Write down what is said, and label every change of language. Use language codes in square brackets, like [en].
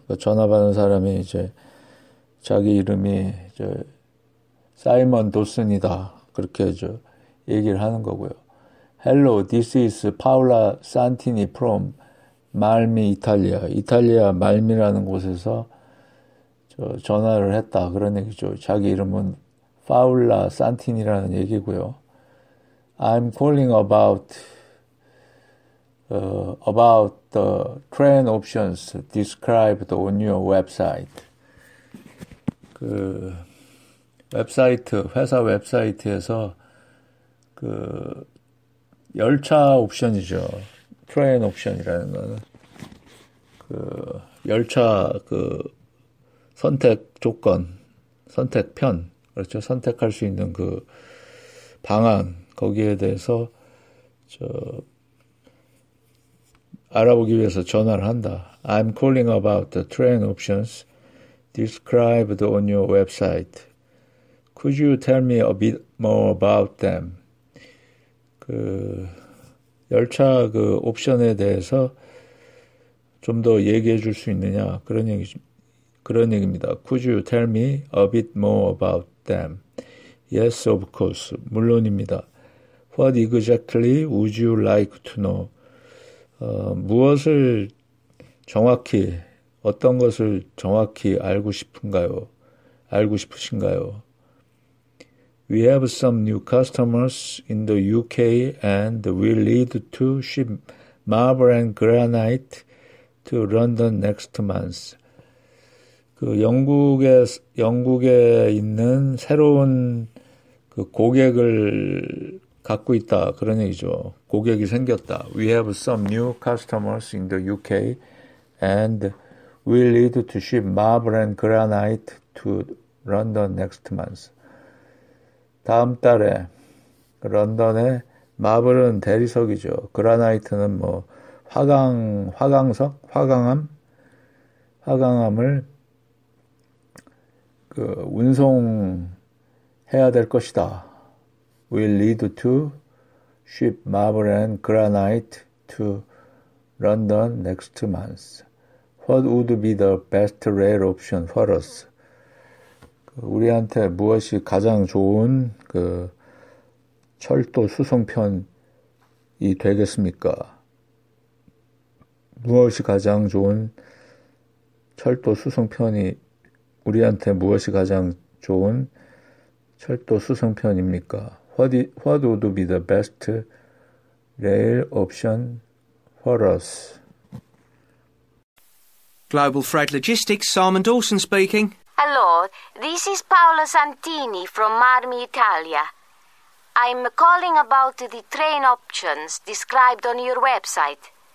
[ko] 그러니까 전화 받은 사람이 이제 자기 이름이 이제 사이먼 도슨이다. 그렇게 저 얘기를 하는 거고요. [en] Hello, this is Paola Santini from Malmi, Italia. [ko] 이탈리아 말미라는 곳에서 저 전화를 했다. 그런 얘기죠. 자기 이름은 Paola Santini라는 얘기고요. [en] I'm calling about the train options described on your website. [ko] 그 웹사이트, 회사 웹사이트에서 그 열차 옵션이죠. 트레인 옵션이라는 거는 그 열차 그 선택 조건, 선택편, 그렇죠. 선택할 수 있는 그 방안, 거기에 대해서 저 알아보기 위해서 전화를 한다. [en] I'm calling about the train options described on your website. Could you tell me a bit more about them? [ko] 그 열차 그 옵션에 대해서 좀 더 얘기해 줄 수 있느냐? 그런 얘기입니다. [en] Could you tell me a bit more about them? Yes, of course. [ko] 물론입니다. [en] What exactly would you like to know? [ko] 무엇을 정확히 어떤 것을 정확히 알고 싶으신가요? [en] We have some new customers in the UK and will need to ship marble and granite to London next month. [ko] 그 영국에 있는 새로운 그 고객을 갖고 있다. 그런 얘기죠. 고객이 생겼다. [en] We have some new customers in the UK and will need to ship marble and granite to London next month. [ko] 다음 달에 런던에 마블은 대리석이죠. 그라나이트는 뭐 화강암을 그 운송해야 될 것이다. [en] We'll need to ship marble and granite to London next month. What would be the best rail option for us? [ko] 우리한테 무엇이 가장 좋은 그 철도 수송편이 되겠습니까? 무엇이 가장 좋은 철도 수송편이 우리한테 무엇이 가장 좋은 철도 수송편입니까? [en] What would be the best rail option for us? Global Freight Logistics, Simon Dawson speaking. Hello, this is Paola Santini from Marmi Italia. I'm calling about the train options described on your website.